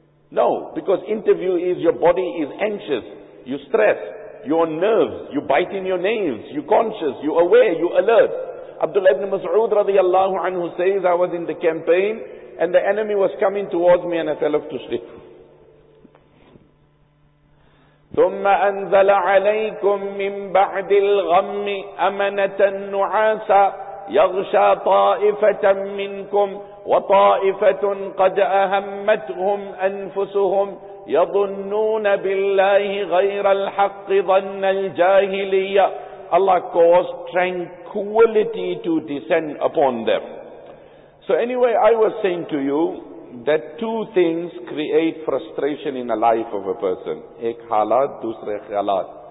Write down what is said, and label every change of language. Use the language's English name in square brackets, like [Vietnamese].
[English] No, because interview is your body is anxious, you stress, your nerves, you bite in your nails, you conscious, you aware, you alert. Abdullah ibn Mas'ud radiallahu anhu says, I was in the campaign and the enemy was coming towards me and I fell off to sleep. [Arabic] ثُمَّ أَنْزَلَ عَلَيْكُمْ مِنْ بَعْدِ الْغَمِّ أَمَنَةً نُعَاسًا يَغْشَى طَائِفَةً مِنْكُمْ وطائفة قد أهمتهم أنفسهم يظنون بالله غير الحق ظن الجاهلية. [English] Allah caused tranquility to descend upon them. So anyway, I was saying to you that two things create frustration in the life of a person. [Urdu] Ek halat, dusre khyalat.